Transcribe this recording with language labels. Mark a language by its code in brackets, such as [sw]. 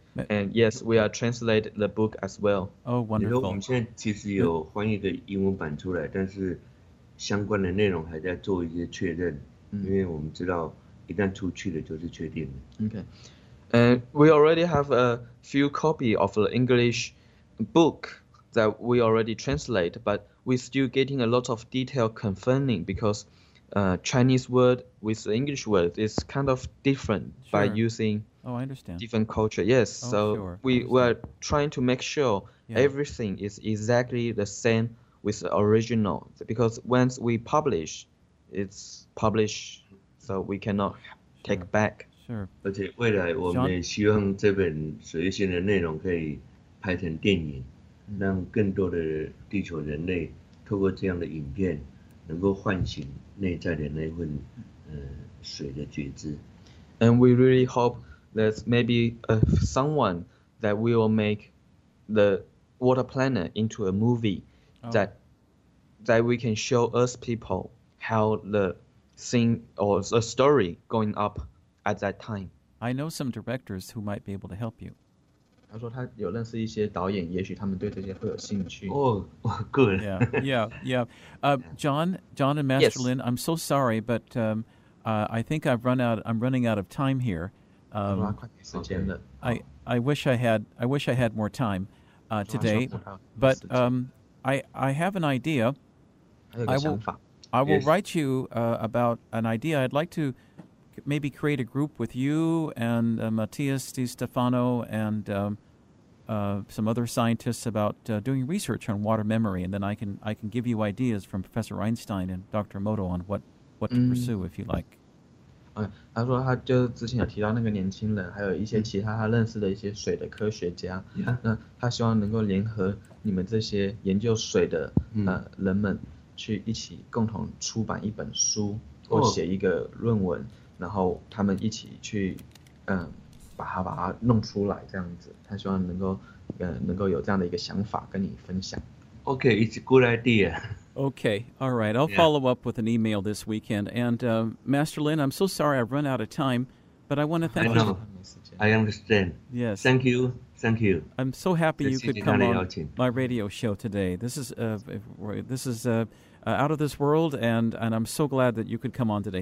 [en] And yes, we are translating the book as well. Oh, wonderful. You know, we now actually have an English version out, but the content of the book is still being verified. [zh] 因为我们知道一旦出去了就是确定了。 [en] Okay. And we already have a few copies of the English book that we already translate, but we're still getting a lot of detail confirming because Chinese word with the English word is kind of different、 sure. by using、 oh, I understand. Different culture. Yes,、 oh, so、 sure. we are trying to make sure、 yeah. everything is exactly the same with the original because once we publish,It's published, so we cannot take sure. back. Sure. [zh] 而且未来我们也希望这本水月星的内容可以拍成电影，让更多的地球人类透过这样的影片，能够唤醒内在的那份水的觉知。 [en] And we really hope that maybe someone that will make the Water Planet into a movie、 oh. that we can show Earth people. How the thing or the story going up at that time. I know some directors who might be able to help you. He said he knows some directors who might be able to help you. Maybe they will be interested in this. Oh, good. Yeah. John and Master、 yes. Lin, I'm so sorry, but I think I'm running out of time here. I wish I had more time today. But I have an idea. I will、 yes. write you about an idea. I'd like to maybe create a group with you and Matthias Di Stefano and some other scientists about doing research on water memory, and then I can give you ideas from Professor Einstein and Dr. Moto on what to pursue if you like. [zh] 他说他就之前有提到那个年轻人，还有一些其他他认识的一些水的科学家。那他希望能够联合你们这些研究水的人们。去一起共同出版一本书或写一个论文、哦、然后他们一起去把它弄出来这样子他希望能够有这样的一个想法跟你分享 [en] OK it's a good idea OK all right I'll follow up with an email this weekend and Master Lin I'm so sorry I've run out of time But I want to thank you. I know. I understand. Yes. Thank you. Thank you. I'm so happy you could come on my radio show today. This is out of this world, and I'm so glad that you could come on today.